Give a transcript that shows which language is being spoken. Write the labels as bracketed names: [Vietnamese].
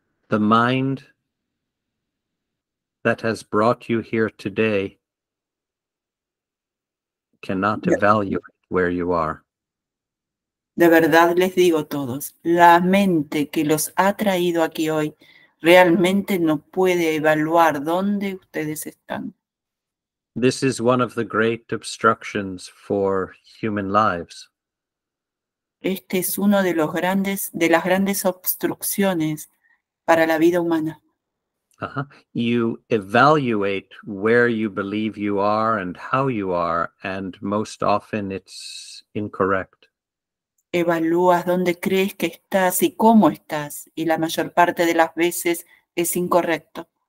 [English] the mind that has brought you here today cannot evaluate where you are. [Spanish] De verdad les digo a todos, la mente que los ha traído aquí hoy realmente no puede evaluar dónde ustedes están. [English] This is one of the great obstructions for human lives. [Spanish] Este es uno de los grandes, de las grandes obstrucciones para la vida humana. Uh-huh. [English] You evaluate where you believe you are and how you are, and most often it's incorrect. [Spanish] Evalúas dónde crees que estás y cómo estás, y la mayor parte de las veces es incorrecto.